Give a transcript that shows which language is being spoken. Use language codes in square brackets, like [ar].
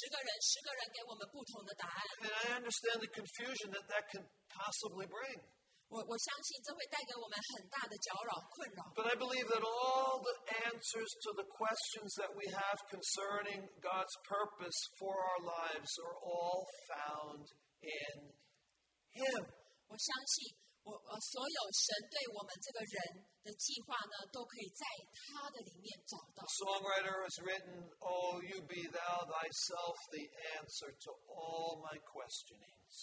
[zh] 所以呢，我们不用这么辛苦的去寻求，是这个吗？是那个吗？到底我应该怎么做呢？我们问十个人，十个人给我们不同的答案。 [en] And I understand the confusion that that can possibly bring. [zh] 我相信这会带给我们很大的搅扰、困扰。 [en] But I believe that all the answers to the questions that we have concerning God's purpose for our lives are all found in Him. [zh] 我相信，所有神对我们这个人的计划呢，都可以在他的里面找到。 [en] The songwriter has written, "Oh, you be thou thyself the answer to all my questioning."